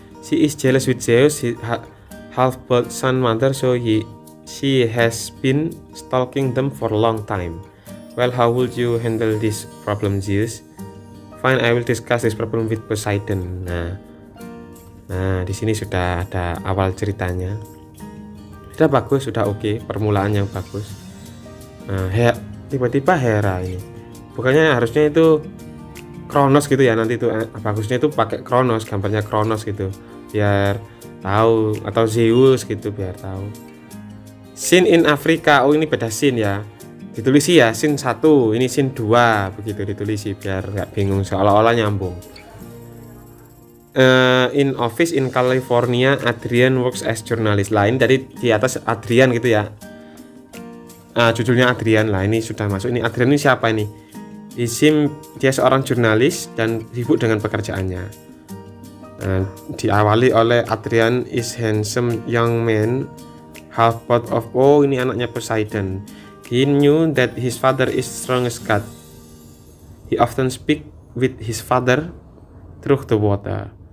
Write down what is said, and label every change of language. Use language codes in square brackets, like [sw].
[en] She is jealous with Zeus, half-blood sun mother, so she has been stalking them for a long time. Well, how would you handle this problem, Zeus? Fine, I will discuss this problem with Poseidon. [id] Nah, di sini sudah ada awal ceritanya. Sudah bagus, sudah oke, permulaan yang bagus. Nah, tiba-tiba Hera ini. Bukannya harusnya itu Kronos gitu ya, nanti itu bagusnya itu pakai Kronos, gambarnya Kronos gitu. Biar tahu, atau Zeus gitu biar tahu. [en] Scene in Africa. [id] Oh, ini beda scene ya. Ditulis ya scene 1, ini scene 2 begitu ditulis biar enggak bingung, seolah-olah nyambung. [en] In office in California, Adrian works as journalist. [id] Lah, ini dari di atas Adrian gitu ya. Judulnya Adrian lah, ini sudah masuk. Ini Adrian ini siapa ini? Isim, dia seorang jurnalis dan sibuk dengan pekerjaannya. Diawali oleh [en] Adrian is handsome young man, half pot of [id] ini anaknya [en] Poseidon. He knew that his father is strongest god. He often speak with his father through the water.